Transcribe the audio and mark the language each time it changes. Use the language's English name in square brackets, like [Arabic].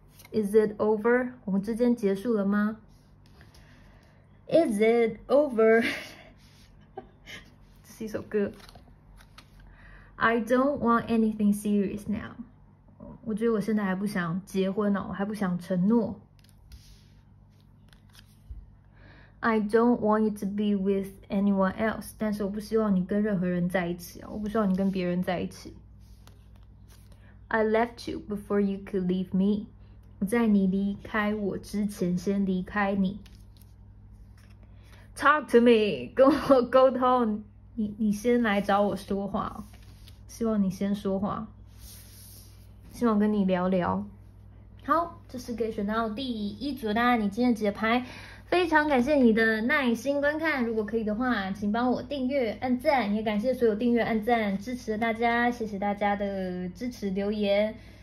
[English] Is it over? [Chinese] 我们之间结束了吗？ [English] Is it over? [Chinese] 这是一首歌。 [English] I don't want anything serious now. [Chinese] 我觉得我现在还不想结婚呢，我还不想承诺。 [English] I don't want you to be with anyone else. [Chinese] 但是我不希望你跟任何人在一起啊，我不希望你跟别人在一起。 [English] I left you before you could leave me. [Chinese] 在你离开我之前先离开你。 [English] Talk to me， [Chinese] 跟我沟通， 你先来找我说话，希望你先说话，希望跟你聊聊。好，这是给选到第一组的你今天的解牌，非常感谢你的耐心观看，如果可以的话请帮我订阅按赞，也感谢所有订阅按赞支持的大家，谢谢大家的支持留言。